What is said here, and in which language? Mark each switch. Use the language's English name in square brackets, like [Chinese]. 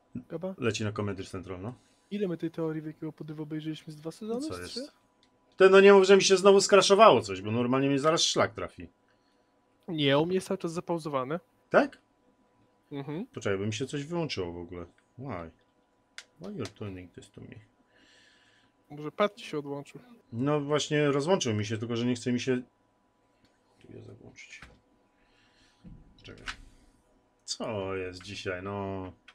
[Polish] Chyba? Leci na Comedy Central, no. Ile my tej teorii wielkiego podrywu obejrzeliśmy z 2 sezony? Co jest? Ten, no nie mów, że mi się znowu skraszowało coś, bo normalnie mi zaraz szlak trafi. Nie, u mnie jest cały czas zapauzowane. Tak? Mhm. Poczekaj, bo mi się coś wyłączyło w ogóle. [English] Why you're turning this to me? [Polish] Może pad ci się odłączył. No właśnie rozłączył mi się, tylko że nie chce mi się... Tu je załączyć. Czekaj. Co jest dzisiaj, no...